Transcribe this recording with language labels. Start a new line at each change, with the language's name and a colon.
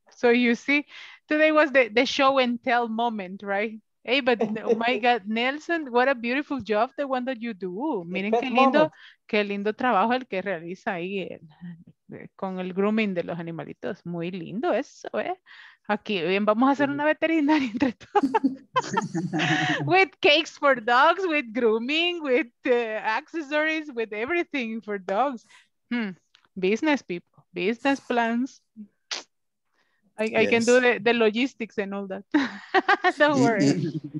English: So you see, today was the show and tell moment, right? Hey, but oh my God, Nelson, what a beautiful job, the one that you do.
Spanish: Miren qué lindo trabajo el que realiza ahí con el grooming de los animalitos. Muy lindo eso, ¿eh? Aquí, bien, vamos a hacer una veterinaria entre todos.
English: With cakes for dogs, with grooming, with accessories, with everything for dogs. Business people, business plans. I can do the logistics and all that. Don't worry.